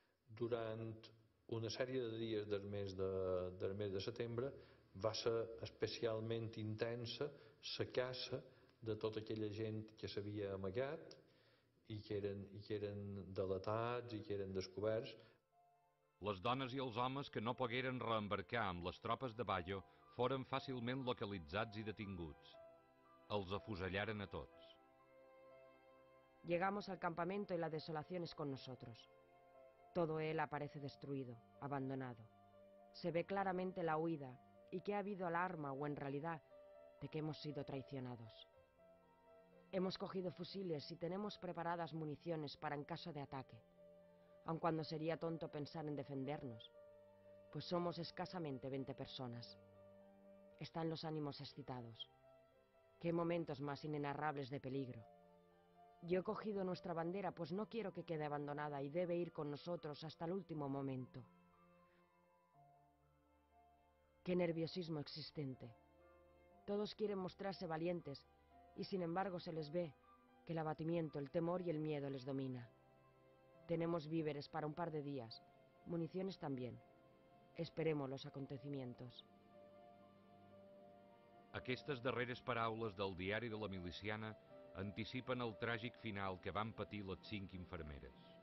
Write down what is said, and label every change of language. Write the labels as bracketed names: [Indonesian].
[Catalan] Durant una sèrie de dies del mes de setembre va ser especialment intensa la caça de tota aquella gent que s'havia amagat i que eren delatats i que eren descoberts. Les dones i els homes que no pogueren reembarcar amb les tropes de Bayo foren fàcilment localitzats i detinguts. Els afusellaren a tots. [Spanish] Llegamos al campamento y la desolación es con nosotros. Todo él aparece destruido, abandonado. Se ve claramente la huida y que ha habido alarma o en realidad de que hemos sido traicionados. Hemos cogido fusiles y tenemos preparadas municiones para en caso de ataque, aun cuando sería tonto pensar en defendernos, pues somos escasamente 20 personas. Están los ánimos excitados. Qué momentos más inenarrables de peligro. Yo he cogido nuestra bandera, pues no quiero que quede abandonada y debe ir con nosotros hasta el último momento. Qué nerviosismo existente. Todos quieren mostrarse valientes y sin embargo se les ve que el abatimiento, el temor y el miedo les domina. Tenemos víveres para un par de días, municiones también. Esperemos los acontecimientos. [Catalan] Aquestes darreres paraules del diari de la miliciana anticipen el tràgic final que van patir les cinc infermeres.